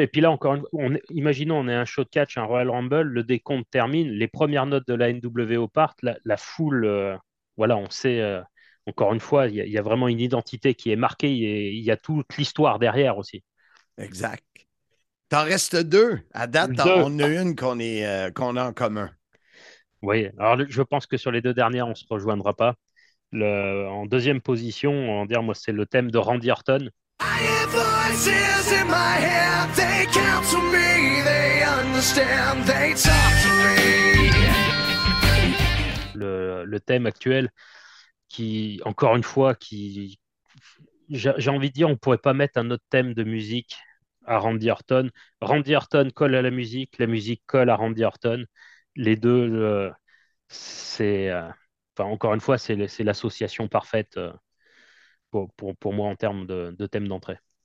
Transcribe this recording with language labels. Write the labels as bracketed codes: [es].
[fr] Et puis là, encore une fois, imaginons, on est un show de catch, un Royal Rumble, le décompte termine, les premières notes de la NWO partent, la foule, on sait, encore une fois, il y a vraiment une identité qui est marquée, il y a toute l'histoire derrière aussi. Exact. T'en restes deux. À date, on a une qu'on a en commun. Oui, alors je pense que sur les deux dernières, on ne se rejoindra pas. En deuxième position, on va dire, moi, c'est le thème de Randy Orton. [en] I hear voices in my head. They counsel me, they understand, they talk to me. [fr] Le thème actuel qui, encore une fois, j'ai envie de dire, on ne pourrait pas mettre un autre thème de musique à Randy Orton. Randy Orton colle à la musique colle à Randy Orton. Les deux, c'est... Enfin, encore une fois, c'est l'association parfaite pour moi en termes de thème d'entrée.